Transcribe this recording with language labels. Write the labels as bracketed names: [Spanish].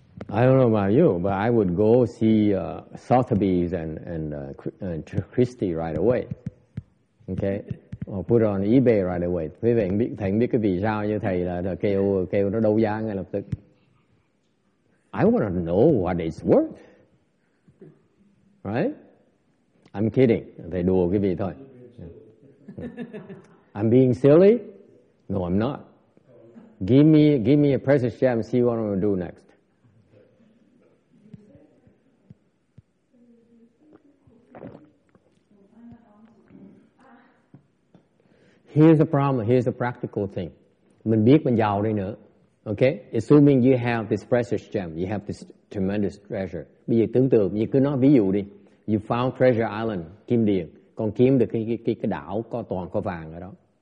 [English] I don't know about you, but I would go see Sotheby's and Christie right away. Okay, or put it on eBay right away. [Vietnamese] Quý vị biết, thầy biết cái vì sao như thầy là kêu nó đấu giá ngay lập tức. [English] I want to know what it's worth, right? I'm kidding. [Vietnamese] Thầy đùa quý vị thôi. [English] I'm being silly? No, I'm not. Give me a precious gem, see what I'm going to do next. Here's the problem. Here's the practical thing. [Vietnamese] Mình biết mình giàu đi nữa. [English] Okay? Assuming you have this precious gem, you have this tremendous treasure. [Vietnamese] Bây giờ tưởng tượng, như cứ nói ví dụ đi. [English] You found treasure island, [Vietnamese] kim điền. Con kiếm được cái đảo có toàn có vàng ở đó.